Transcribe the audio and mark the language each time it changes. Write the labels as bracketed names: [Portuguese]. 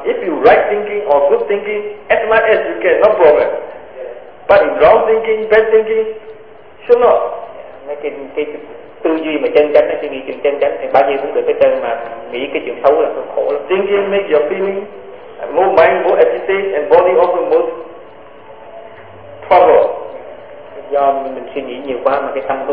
[English] If you right thinking or good thinking, as much as you can, no problem. Yes. But if wrong thinking, bad thinking, sure not. Yeah. [Vietnamese] Cái tư duy mà chân chánh, suy nghĩ chuyện chân chánh thì bao nhiêu cũng được hết trơn, mà nghĩ cái chuyện xấu là khổ lắm. [English] Thinking makes your feeling more mind, more agitated, and body also more troubled. [Vietnamese] Do mình suy nghĩ nhiều quá mà cái tâm của